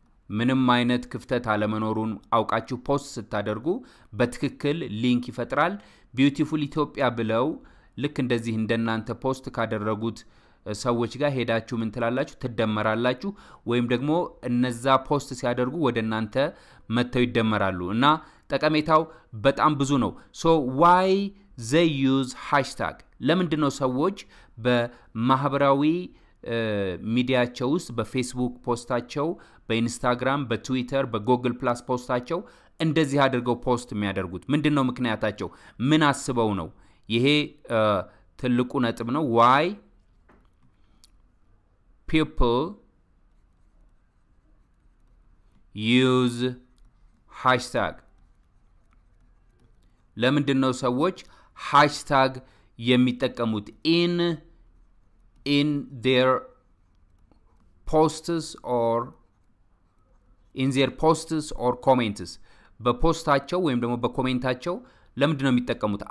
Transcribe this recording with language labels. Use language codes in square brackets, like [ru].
[am] ምንም አይነት ክፍተት አለመኖሩን አውቃችሁ ፖስት ስታደርጉ በትክክል ሊንክ ይፈጥራል። beautiful ethiopia ብለው ልክ እንደዚህ እንደናንተ ፖስት ካደረጉት ሰዎች ጋር ሄዳችሁ ምን ትላላችሁ ትደመራላችሁ ወይም ደግሞ እነዛ ፖስት ሲያደርጉ ወደናንተ መተው ይደመራሉ። እና ጠቀሜታው በጣም ብዙ ነው። [en] so why they use hashtag [am] ለምንድነው ሰዎች በማህበራዊ ሚዲያቸው ውስጥ በፌስቡክ ፖስታቸው በኢንስታግራም በትዊተር በጎግል ፕላስ ፖስታቸው እንደዚህ አድርገው ፖስት የሚያደርጉት ምንድነው ምክንያታቸው ምን አስበው ነው? ይሄ ትልቁ ነጥብ ነው። [en] why people use hashtag [am] ለምንድነው ሰዎች hashtag የሚጠቀሙት [en] in their posts or in their posts or comments. [am] በፖስታቸው ወይም ደግሞ በኮሜንታቸው ለምንድነው የሚጠቀሙት?